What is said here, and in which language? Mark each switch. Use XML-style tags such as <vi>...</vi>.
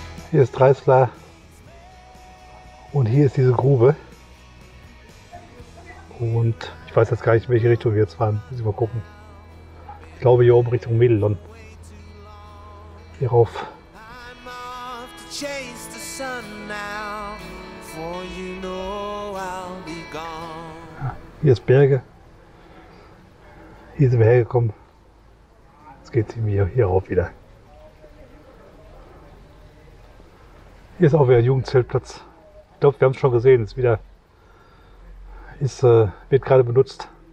<de>Hier ist Dreisler und hier ist diese Grube. Und ich weiß jetzt gar nicht, in welche Richtung wir jetzt fahren. Müssen wir mal gucken. Ich glaube hier oben Richtung Medelon. Hierauf.</de> <en>I'm off to chase the sun now, for you know I'll be gone.</en> <de>Ja, hier ist Berge. Hier sind wir hergekommen. Jetzt geht es hier rauf wieder. Hier ist auch wieder ein Jugendzeltplatz. Ich glaube, wir haben es schon gesehen. Ist wieder. Wird gerade benutzt.</de>